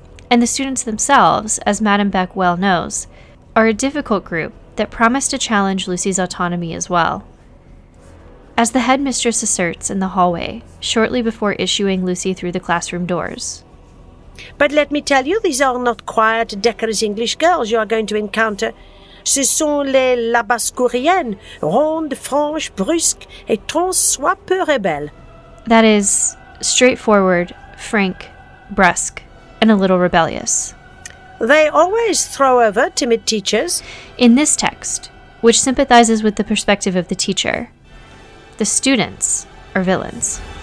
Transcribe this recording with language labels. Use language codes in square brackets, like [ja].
[en] And the students themselves, as Madame Beck well knows, are a difficult group that promise to challenge Lucy's autonomy as well. As the headmistress asserts in the hallway, shortly before issuing Lucy through the classroom doors. But let me tell you, these are not quiet, decorous English girls you are going to encounter. [fr] Ce sont les labascouriennes, rondes, franches, brusques, et tant soit peu rebelles. [en] That is, straightforward, frank, brusque, and a little rebellious. They always throw over timid teachers. In this text, which sympathizes with the perspective of the teacher, the students are villains.